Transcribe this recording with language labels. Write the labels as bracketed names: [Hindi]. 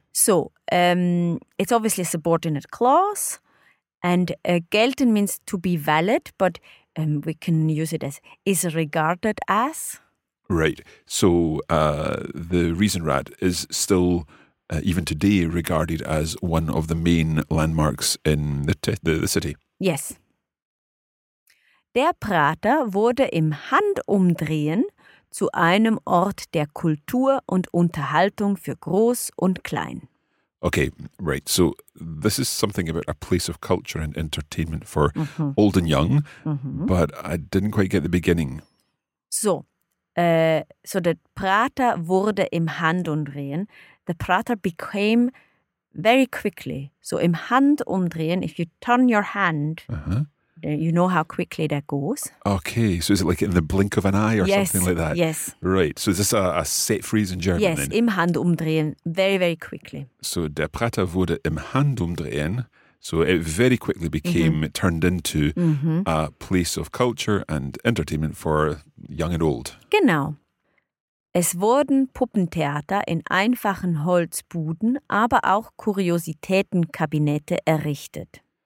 [English] So it's obviously a subordinate clause, and gelten means to be valid, but we can use it as is regarded as. Right. So the Riesenrad is still even today regarded as one of the main landmarks in the city. Yes. [German] Der Prater wurde im Handumdrehen zu einem Ort der Kultur und Unterhaltung für Groß und Klein. [English] Okay, right. So this is something about a place of culture and entertainment for mm-hmm. old and young, mm-hmm. but I didn't quite get the beginning. So, so the Prater [German] wurde im Handumdrehen. [English] The Prater became very quickly. So im Handumdrehen, if you turn your hand... Uh-huh. You know how quickly that goes. Okay, so is it like in the blink of an eye or yes, something like that? Yes. Right, so is this a set phrase in German? Yes, then? [German] Im Handumdrehen, [English] very, very quickly. So [German] der Prater wurde im Handumdrehen, [English] so it very quickly became, mm-hmm. it turned into mm-hmm. a place of culture and entertainment for young and old. [German] Genau. Es wurden Puppentheater in einfachen Holzbuden, aber auch Kuriositätenkabinette errichtet.